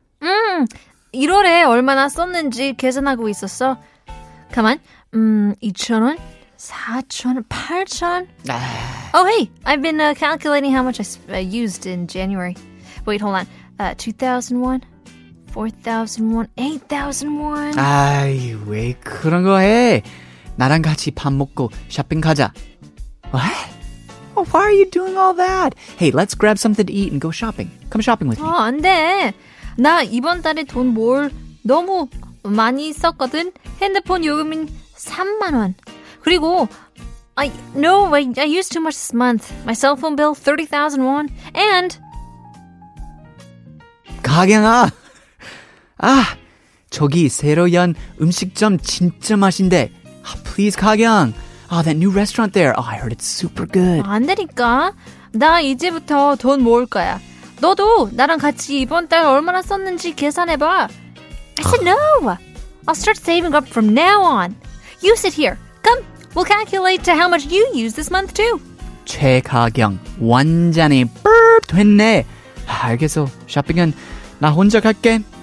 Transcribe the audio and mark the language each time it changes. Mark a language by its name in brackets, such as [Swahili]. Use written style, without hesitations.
[Korean] 1월에 얼마나 썼는지 계산하고 있었어. 가만, 2,000원, 4,000, 8,000? [English] Oh, hey, I've been calculating how much I used in January. Wait, hold on. 2,001? 4,001? 8,001? [Korean] 아이, 왜 그런 거 해? 나랑 같이 밥 먹고 쇼핑 가자. [English] What? Oh, why are you doing all that? Hey, let's grab something to eat and go shopping. Come shopping with me. [Korean] 어, 안 돼. 나 이번 달에 돈 뭘 너무 많이 썼거든. 핸드폰 요금은 3만 원. 그리고 [English] I used too much this month. My cell phone bill, 30,000 won. And... [Korean] 가경아! 아, 저기 새로 연 음식점 진짜 맛인데. [English] Oh, please, 가경. Oh, that new restaurant there. Oh, I heard it's super good. [Korean] 안 되니까. 나 이제부터 돈 모을 거야. 너도 나랑 같이 이번 달 얼마나 썼는지 계산해봐. [English] I said no. I'll start saving up from now on. You sit here. Come, we'll calculate to how much you use this month too. [Korean] 최가경, 완전히 뿔 됐네. 알겠어, 쇼핑은 나 혼자 갈게.